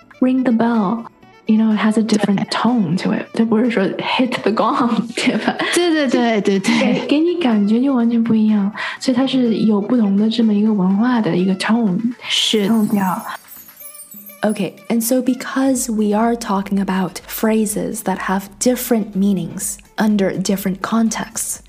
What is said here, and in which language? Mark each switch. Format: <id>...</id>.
<en>Ring the bell, you know, it has a different tone to it.</en> <zh>就不是说</zh> <en>hit the gong,</en> <zh>对吧？对对对对对，给你感觉就完全不一样，所以它是有不同的这么一个文化的一个 tone，是 tone 调。</zh> <en>Okay, and so because we are talking about phrases that have different meanings under different contexts.</en>